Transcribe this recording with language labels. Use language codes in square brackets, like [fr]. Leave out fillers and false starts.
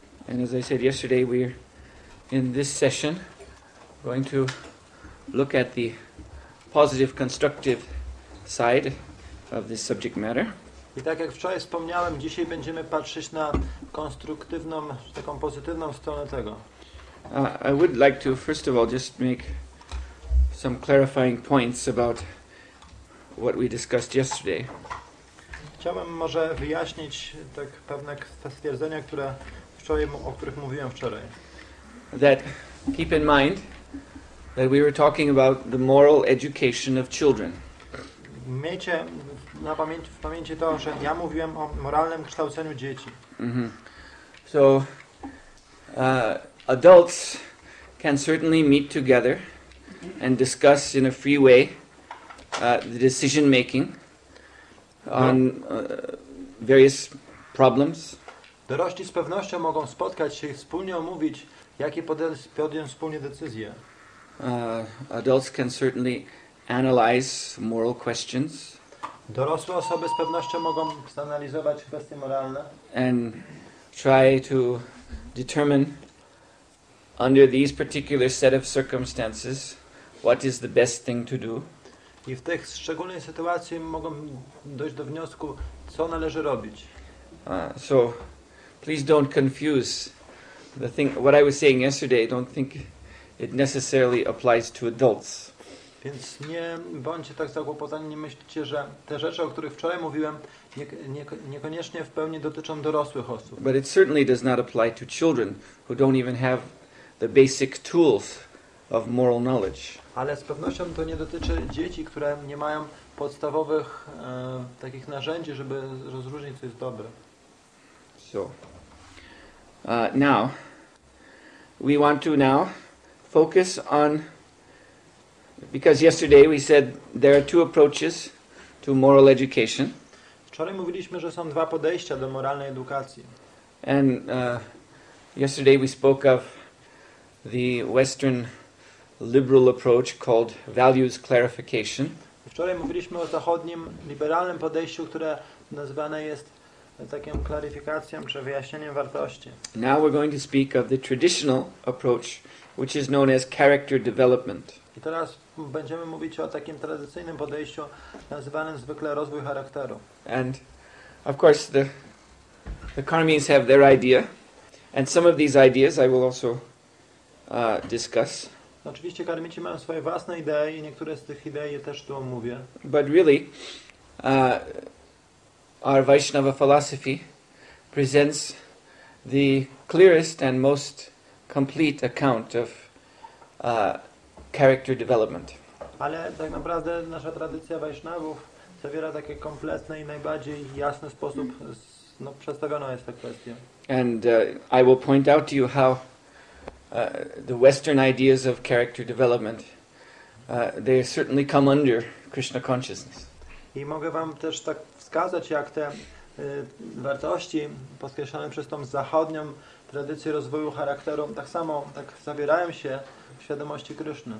[en] And as I said yesterday, we're in this session going to look at the positive constructive side of this subject matter. [pl] I tak jak wczoraj wspomniałem, dzisiaj będziemy patrzeć na konstruktywną, taką pozytywną stronę tego. [en] I would like to first of all just make some clarifying points about what we discussed yesterday. [pl] Chciałbym może wyjaśnić tak pewne stwierdzenia, które wczoraj, o których mówiłem wczoraj. [en] That keep in mind that we were talking about the moral education of children. [pl] Miejcie w pamięci to, że ja mówiłem o moralnym kształceniu dzieci. Mm-hmm. [en] So adults can certainly meet together and discuss in a free way the decision making on various problems. [pl] Dorośli z pewnością mogą spotkać się i wspólnie omówić, jakie podjąć wspólnie decyzje. [en] Adults can certainly analyze moral questions. [pl] Dorosłe osoby z pewnością mogą zanalizować kwestie moralne. [en] And try to determine under these particular set of circumstances what is the best thing to do. [pl] I w tych szczególnych sytuacji mogą dojść do wniosku, co należy robić. [en] So please don't confuse the thing what I was saying yesterday. Don't think it necessarily applies to adults. [pl] Więc nie bądźcie tak zakłopotani, nie myślcie, że te rzeczy, o których wczoraj mówiłem, niekoniecznie w pełni dotyczą dorosłych osób. [en] But it certainly does not apply to children who don't even have the basic tools of moral knowledge. [pl] Ale z pewnością to nie dotyczy dzieci, które nie mają podstawowych takich narzędzi, żeby rozróżnić, co jest dobre. [en] So, now, we want to now focus on, because yesterday we said there are two approaches to moral education. [pl] Wczoraj mówiliśmy, że są dwa podejścia do moralnej edukacji. [en] And yesterday we spoke of the Western liberal approach called values clarification. [pl] Wczoraj mówiliśmy o zachodnim liberalnym podejściu, które nazwane jest takim klaryfikacją czy wyjaśnieniem wartości. [en] Now we're going to speak of the traditional approach, which is known as character development. [pl] I teraz będziemy mówić o takim tradycyjnym podejściu nazywanym zwykle rozwój charakteru. [en] And of course the Karmis have their idea, and some of these ideas I will also discuss. [pl] Oczywiście Karmici mają swoje własne idee i niektóre z tych idei też tu omówię. [en] But really, our Vaishnava philosophy presents the clearest and most complete account of character development. [pl] Ale tak naprawdę nasza tradycja Vaishnavów zawiera taki kompletny i najbardziej jasny sposób przedstawiona jest ta kwestia. [en] And I will point out to you how the Western ideas of character development they certainly come under Krishna consciousness. [pl] I mogę wam też tak wskazać, jak te wartości podkreślane przez tą zachodnią tradycję rozwoju charakteru tak samo tak zawierają się w świadomości Kryszny.